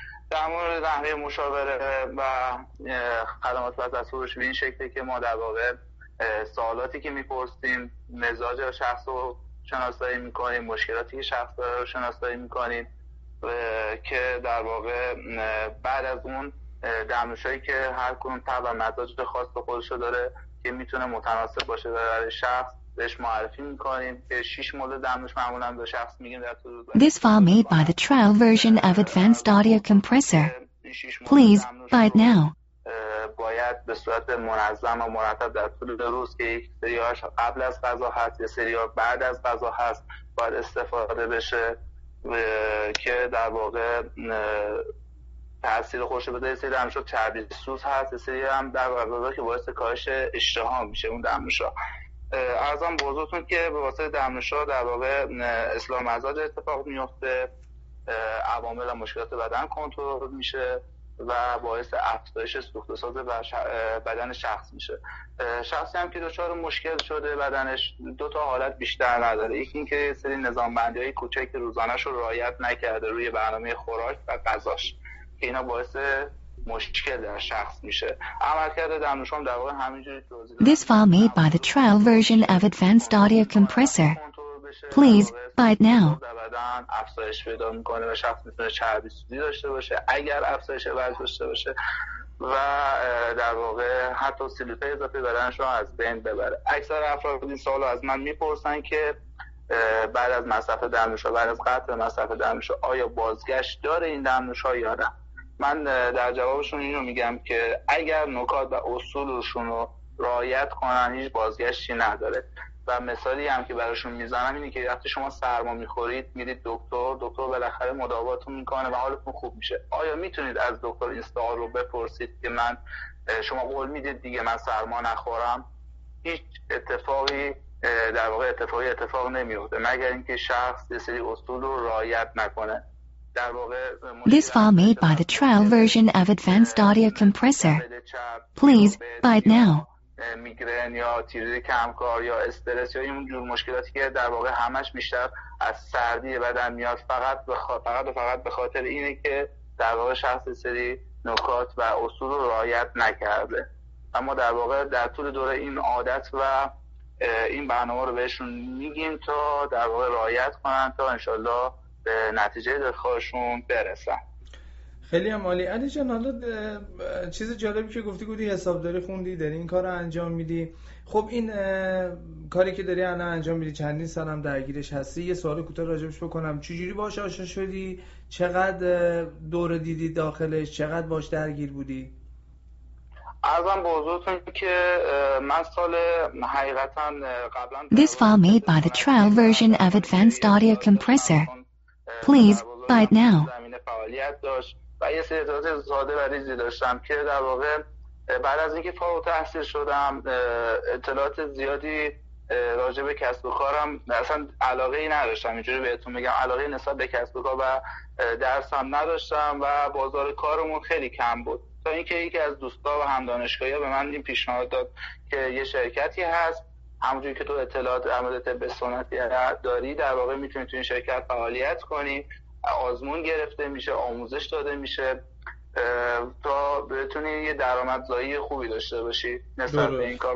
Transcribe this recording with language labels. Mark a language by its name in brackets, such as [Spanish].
[Persian] در مورد نحوه مشاوره و خدمات و دستورش به این شکلی که ما در واقع سوالاتی که میپرسیم، مزاج شخص رو شناسایی میکنیم، مشکلاتی که شخص داره رو شناسایی میکنیم، که در واقع بعد از اون دمنوشایی که هر کدوم طب و مزاج خاص خودشو داره که میتونه متناسب باشه برای شخص بهش معرفی میکنیم، که 6 مورد دمنوش معمولا به شخص میگیم در طول دوره. [English] This file made by the trial version of Advanced Audio Compressor. Please buy it now. [Persian] باید به صورت منظم و مرتب در طول روز، که یک سریاش قبل از غذا هست، یک سری بعد از غذا هست، باید استفاده بشه، که در واقع تأثیر خوش بده. یک سری دمنوش چربی سوز هست، یک سری هم در واقع که باعث کاهش اشتها میشه اون دمنوش. ارزم بزرگتون که به واسطه دمنوشا در واقع اصلاح مزاج اتفاق میفته، عوامل و مشکلات بدن کنترل میشه، و باعث افزایش سوخت و ساز بدن شخص میشه. شخصی هم که دچار مشکل شده بدنش، دو تا حالت بیشتر نداره. یکی این که سری نظام بندی های کوچک روزانش رو رعایت نکرده روی برنامه خوراک و غذاش، که اینا باعث مشکل در شخص میشه. عملکرد دمنوش هم در واقع همینجوری توضیح داده. [English] This file made by the trial version of Advanced Audio Compressor. Please buy it now. [Persian] بدن افزایش پیدا میکنه و شخص میتونه چربی سوزی داشته باشه، اگر افزایش وزن داشته باشه، و در واقع حتی سلولیت اضافه بدنش رو از بین ببره. اکثر افراد این سوالو از من میپرسن که بعد از مصرف دمنوش، بعد از قطع مصرف دمنوش، آیا بازگشت داره این دمنوش ها یا نه؟ من در جوابشون اینو میگم که اگر نکات و اصولشون رو رعایت کنن هیچ بازگشتی نداره. و مثالی هم که براشون میزنم اینه که وقتی شما سرما میخورید، میرید دکتر بالاخره مداواتون میکنه و حالتون خوب میشه، آیا میتونید از دکتر این سوال رو بپرسید که من شما قول میدید دیگه من سرما نخورم؟ هیچ اتفاقی در واقع اتفاق نمیفته، مگر اینکه شخص یه سری اصول رو رعایت نکنه. [English] This file made by the trial version of Advanced Audio Compressor. Please buy it now. [Persian] میگرن یا تیروید کمکار یا استرس یا این جور مشکلاتی که در واقع همش بیشتر از سردی بدن میاد، فقط به خاطر اینه که در واقع شخص سری نکات و اصول رو رعایت نکرده. اما در واقع در طول دوره این عادت و این برنامه رو بهشون میگیم تا در واقع رعایت کنن، تا انشالله به نتیجه درخواهشون برسن. خیلی هم عالی. علی جان، حالا چیز جالبی که گفتی، گفتی حسابداری خوندی، داری این کار رو انجام میدی. خب این کاری که داری الان انجام میدی چندین سال هم درگیرش هستی، یه سوال کوتاه راجبش بکنم، چجوری باهاش آشنا شدی؟ چقدر دوره دیدی داخلش؟ چقدر باهاش درگیر بودی؟ عرضم به حضورتون که من سال حقیقتا قبلا [English] This file made by the trial version of Advanced Audio Compressor. Please buy it now. [Persian] زمینه فعالیت داشت و یه سری اطلاعات ساده و ریزی داشتم که در واقع بعد از اینکه فارغ التحصیل شدم اطلاعات زیادی راجع به کسب و کارم اصلا علاقه ای نداشتم. اینجوری بهتون میگم علاقه نسبت به کسب و کار و درسم نداشتم و بازار کارمون خیلی کم بود، تا اینکه یکی از دوستا و هم دانشگاهی‌ها به من این پیشنهاد داد که یه شرکتی هست، همونجوری که تو اطلاعات عملیات به سنتی داری در واقع میتونی تو این شرکت فعالیت کنی، آزمون گرفته میشه، آموزش داده میشه تا بتونی یه درآمدزایی خوبی داشته باشی نسبت به این کار.